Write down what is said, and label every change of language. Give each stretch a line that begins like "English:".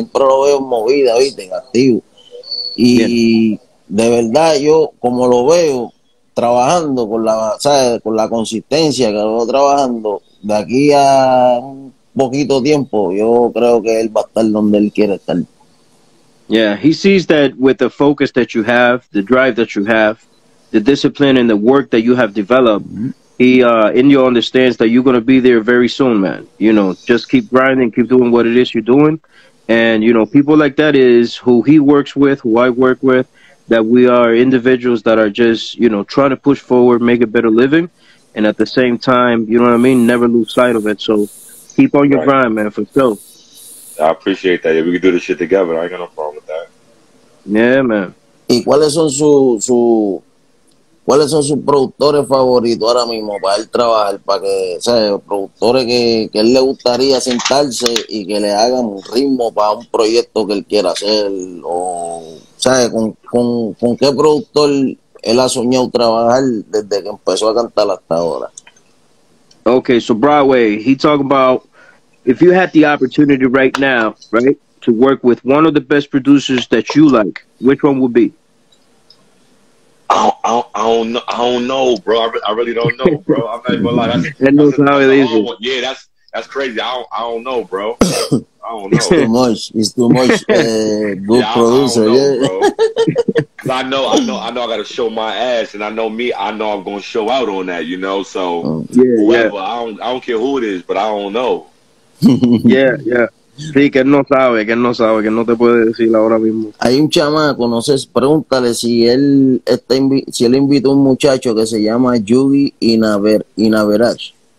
Spanish: Siempre lo veo en movida, ¿viste? En activo. Y de verdad yo como lo veo trabajando con la, ¿sabes? Con la consistencia que lo veo trabajando de aquí a un poquito tiempo, yo creo que él va a estar donde él quiere estar.
English: Yeah, he sees that with the focus that you have, the drive that you have, the discipline and the work that you have developed, Indio understands that you're going to be there very soon, man. You know, just keep grinding, keep doing what it is you're doing. And, you know, people like that is who he works with, who I work with, that we are individuals that are just, you know, trying to push forward, make a better living. And at the same time, you know what I mean? Never lose sight of it. So keep on your grind, man, for sure. I appreciate that. Yeah, we can do this shit together. I ain't got no problem with that. Yeah, man.
Spanish: ¿Y cuáles son sus productores favoritos ahora mismo para él trabajar? Para que, o sea, productores que él le gustaría sentarse y que le hagan un ritmo para un proyecto que él quiera hacer. O, ¿sabe? ¿Con qué productor él ha soñado trabajar desde que empezó a cantar hasta ahora?
English: Okay, so Broadway, he talked about, if you had the opportunity right now, right, to to work with one of the best producers that you like, which one would be? I don't know, bro. I really don't know, bro. I'm not even like that's how it is. Yeah, that's crazy. I don't know, bro. I don't know. It's too much. Good producer, I don't know, bro. Cause I know. I got to show my ass, and I know me. I know I'm gonna show out on that. You know, so yeah. I don't care who it is, but I don't know. Yeah.
Spanish: Sí, que él no sabe, que él no te puede decir ahora mismo. Hay un chamaco, no sé, pregúntale si él está si él invitó a un muchacho que se llama Yugi Inaveraj.